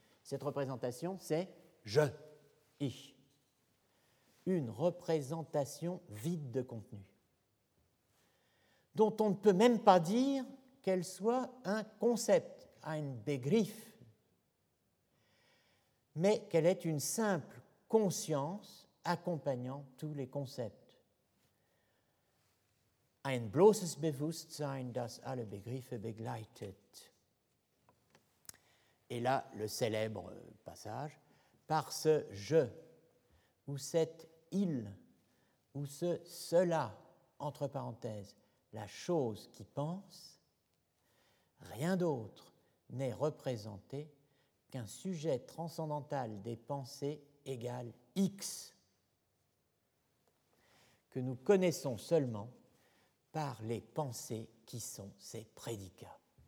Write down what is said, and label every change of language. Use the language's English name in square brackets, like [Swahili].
[French] Cette représentation, c'est je, ich. Une représentation vide de contenu, dont on ne peut même pas dire qu'elle soit un concept, [German] ein Begriff, [French] mais qu'elle est une simple conscience accompagnant tous les concepts. [German] Ein bloßes Bewusstsein, das alle Begriffe begleitet. [French] Et là, le célèbre passage, par ce « je » ou cet « il » ou ce « cela » entre parenthèses, la chose qui pense, rien d'autre n'est représenté qu'un sujet transcendantal des pensées égal X, que nous connaissons seulement par les pensées qui sont ses prédicats.